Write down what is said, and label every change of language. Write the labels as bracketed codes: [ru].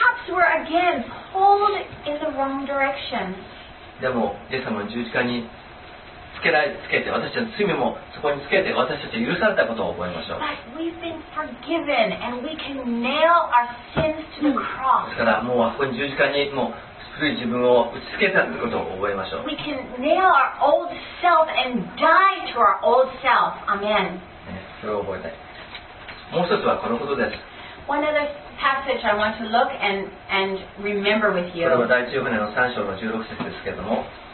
[en] But,Perhaps we're again pulled in the wrong direction. [ja] でも、イエス様の十字架に つけて、私たちの罪もそこにつけて、私たちは許されたことを覚えましょう。 [en] But we've been forgiven, and we can nail our sins to the cross. [ja] ですから、もうあそこに十字架にもう古い自分を打ち付けたということを覚えましょう。 [en] We can nail our old self and die to our old self. Amen. [ja] それを覚えたい。もう一つはこのことです。 [en] One other passage I want to look and remember with you. [ja] これは第一ヨハネの3章の16節ですけれども。